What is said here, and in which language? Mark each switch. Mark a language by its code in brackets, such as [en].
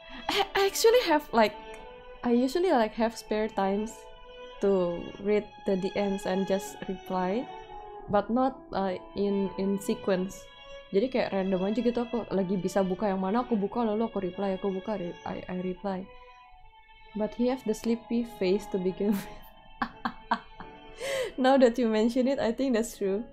[en] I actually have like I usually like have spare times to read the DMs and just reply, but not in sequence. [id] Jadi kayak random aja gitu, aku lagi bisa buka yang mana aku buka, lalu aku reply, aku buka, [en] I reply. But he have the sleepy face to begin with. Now that you mention it, I think that's true.